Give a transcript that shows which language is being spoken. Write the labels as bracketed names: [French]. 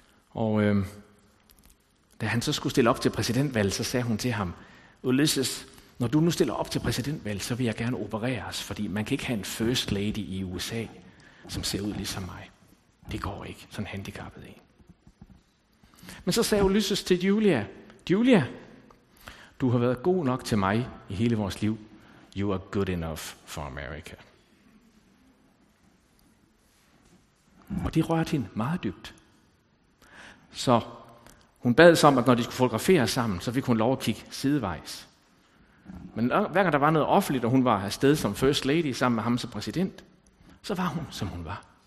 [Danish] Og da han så skulle stille op til præsidentvalg, så sagde hun til ham, Ulysses, når du nu stiller op til præsidentvalg, så vil jeg gerne opereres, fordi man kan ikke have en first lady i USA, som ser ud ligesom mig. Det går ikke, sådan handicappet en. Men så sagde Ulysses til Julia, Julia, du har været god nok til mig i hele vores liv. [English] You are good enough for America. [Danish] Og det rørte hende meget dybt. Så hun bad sig om, at når de skulle fotografere sammen, så fik hun lov at kigge sidevejs. Men hver gang der var noget offentligt, og hun var afsted som first lady sammen med ham som præsident, så var hun, som hun var.